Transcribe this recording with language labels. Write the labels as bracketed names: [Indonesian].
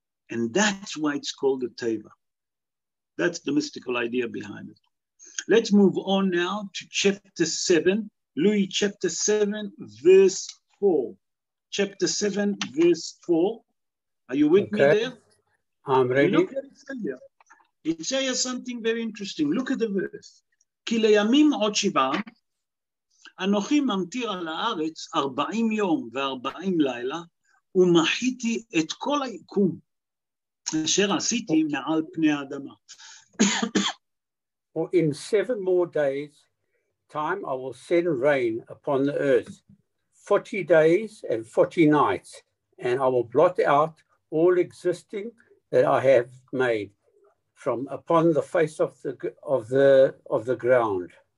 [English] And that's why it's called the teva. That's the mystical idea behind it. Let's move on now to chapter 7, Levy chapter 7, verse 4. Chapter 7, verse 4. Are you with me there? I'm ready. Look at Isaiah. Isaiah, something very interesting. Look at the verse. [Hebrew] כי לימים עוד שבעה, אנוכי ממתיר על הארץ 40 יום ו-40 לילה, ומחיתי את כל היקום. אשר עשיתי מעל פני האדמה. [English] For in seven more days time I will send rain upon the earth, 40 days and 40 nights, and I will blot out all existing that I have made from upon the face of the ground.